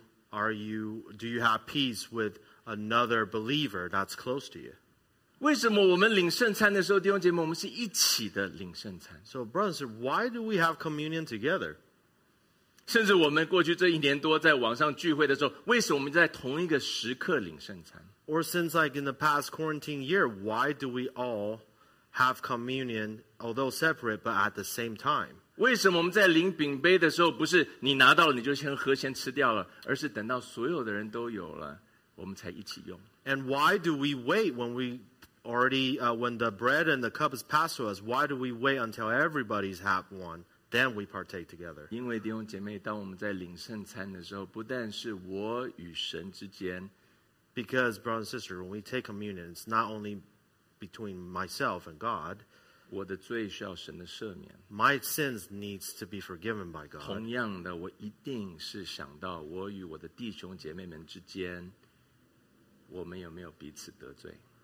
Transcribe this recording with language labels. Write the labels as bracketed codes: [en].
[en] Do you have peace with another believer that's close to you? [zh] 为什么我们领圣餐的时候，弟兄姐妹，我们是一起的领圣餐 [en] ？So brothers, why do we have communion together? [zh] 甚至我们过去这一年多在网上聚会的时候，为什么我们在同一个时刻领圣餐 [en] ？Or since like in the past quarantine year, why do we all have communion, although separate, but at the same time? [zh] 为什么我们在领饼杯的时候，不是你拿到了你就先喝先吃掉了，而是等到所有的人都有了，我们才一起用 [en] ？And why do we wait when we already when the bread and the cup is passed to us? Why do we wait until everybody's had one, then we partake together? [zh] 因为弟兄姐妹，当我们在领圣餐的时候，不但是我与神之间 [en] ，Because brothers and sisters, when we take communion, it's not only between myself and God. [zh] 我的罪需要神的赦免。 [en] My sins needs to be forgiven by God. [zh] 同样的，我一定是想到我与我的弟兄姐妹们之间，我们有没有彼此得罪。